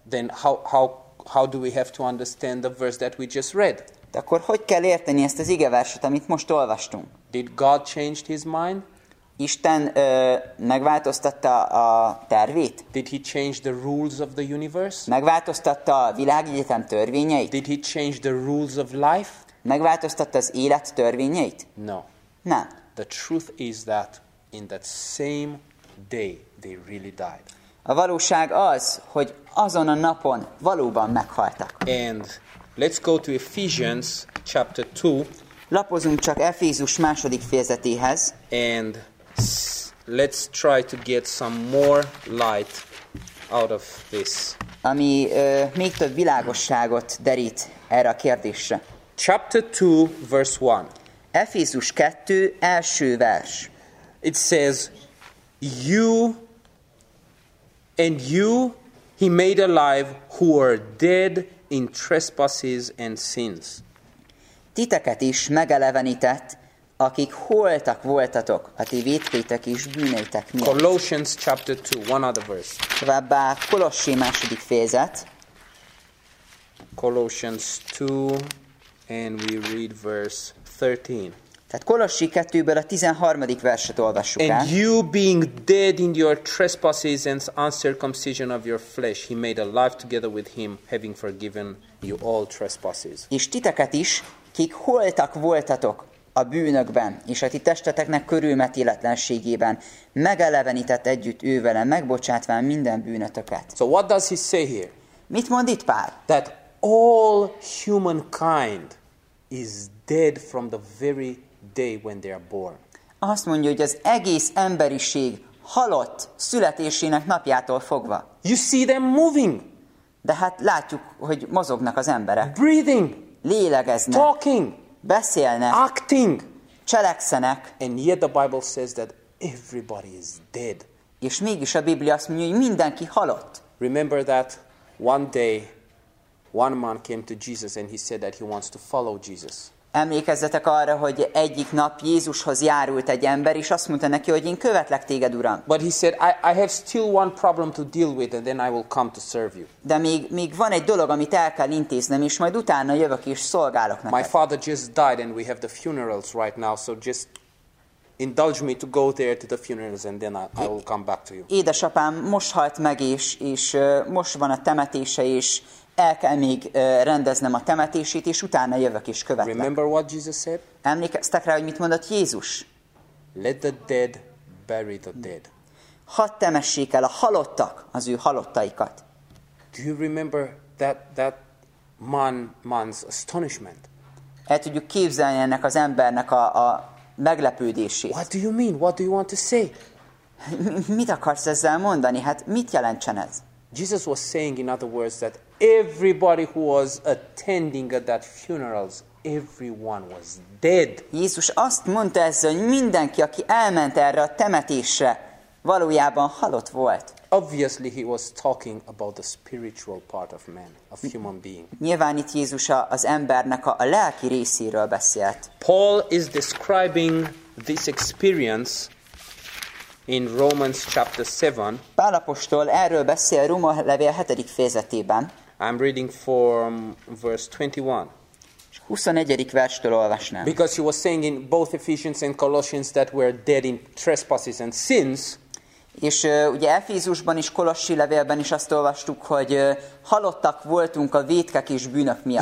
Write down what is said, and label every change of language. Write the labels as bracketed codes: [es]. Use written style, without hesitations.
[en] Then how do we have to understand the verse that we just read? [hu] De akkor hogy kell érteni ezt az igeverset, amit most olvastunk? [en] Did God change his mind? [hu] Isten megváltoztatta a tervét? [en] Did he change the rules of the universe? [hu] Megváltoztatta a világegyetem törvényeit? [en] Did he change the rules of life? [hu] Megváltoztatta az élet törvényeit? [en] No. [hu] Nem. [en] The truth is that in that same day they really died. [hu] A valóság az, hogy azon a napon valóban meghaltak. [en] And let's go to Ephesians chapter 2. [hu] Lapozunk csak Efézus második fejezetéhez. [en] And let's try to get some more light out of this. [hu] Ami még több világosságot derít erre a kérdésre. [en] Chapter 2, verse 1. [hu] Efézus 2, első vers. [en] It says, you and you he made alive who were dead in trespasses and sins. [hu] titeket is megelevenített, akik holtak voltatok a ti vétkeitek és bűneitek miatt. [en] Colossians chapter 2, one other verse. [hu] Továbbá Kolossi második fejezet. [en] Colossians 2, and we read verse 13. [hu] Tehát Kolossi 2-ből a 13. verset olvassuk el. [en] And you being dead in your trespasses and uncircumcision of your flesh, he made alive together with him, having forgiven you all trespasses. [hu] És titeket is, kik holtak voltatok a bűnökben, és a ti testeteknek körülmetéletlenségében, megelevenített együtt ővele, megbocsátván minden bűnötöket. [en] So what does he say here? [hu] Mit mond itt Pál? [en] That all humankind is dead from the very day when they are born. [hu] Azt mondja, hogy az egész emberiség halott születésének napjától fogva. [en] You see them moving. [hu] De hát látjuk, hogy mozognak az emberek. [en] Breathing. [hu] Lélegeznek. [en] Talking. [hu] Beszélnek. [en] Acting. [hu] Cselekszenek. [en] And yet the Bible says that everybody is dead. [hu] És mégis a Biblia azt mondja, hogy mindenki halott. [en] Remember that one day one man came to Jesus and he said that he wants to follow Jesus. [hu] Emlékezzetek arra, hogy egyik nap Jézushoz járult egy ember, és azt mondta neki, hogy én követlek téged, Uram. [en] But he said, I have still one problem to deal with, and then I will come to serve you. [hu] De még van egy dolog, amit el kell intéznem, és majd utána jövök és szolgálok neked. [en] My father just died, and we have the funerals right now, so just indulge me to go there to the funerals, and then I will come back to you. [hu] Édesapám most halt meg, és most van a temetése is. El kell még rendeznem a temetését, és utána jövök és követlek. [en] Remember what Jesus said? [hu] Emlékeztek rá, hogy mit mondott Jézus? [en] Let the dead bury the dead. [hu] Hadd temessék el a halottak az ő halottaikat. [en] Do you remember that man's astonishment? [hu] El tudjuk képzelni ennek az embernek a meglepődését. [en] What do you mean? What do you want to say? [hu] Mit akarsz ezzel mondani? Hát mit jelentsen ez? [en] Jesus was saying, in other words, that everybody who was attending at that funerals, everyone was dead. [hu] Jézus azt mondta ezzel, hogy mindenki, aki elment erre a temetésre, valójában halott volt. [en] Obviously he was talking about the spiritual part of man, of human being. [hu] Nyilván itt Jézus az embernek a lelki részéről beszélt. [en] Paul is describing this experience in Romans chapter 7. [hu] Pál apostol erről beszél Róma levél 7. fejezetében. [en] I'm reading from verse 21. [hu] 21. verstől olvasnám. [en] Because he was saying in both Ephesians and Colossians that we're dead in trespasses and sins. [hu] És ugye Efézusban is, Kolossi levélben is azt olvastuk, hogy halottak voltunk a vétkek és bűnök miatt.